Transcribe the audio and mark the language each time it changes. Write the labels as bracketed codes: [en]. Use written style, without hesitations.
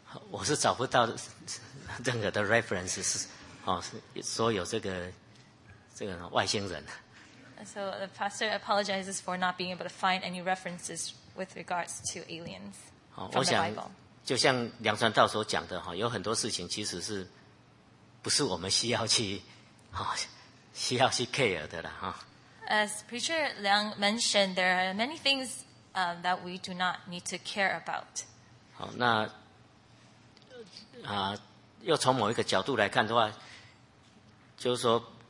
[zh] 我是找不到任何的 references 哦，说有这个外星人。 [en] So the pastor apologizes for not being able to find any references with regards to aliens from the Bible. [zh] 就像梁传道所讲的，有很多事情其实是不是我们需要去 care 的了。 [en] As preacher Liang mentioned, there are many things that we do not need to care about. [zh] 好，那又从某一个角度来看的话，就是说。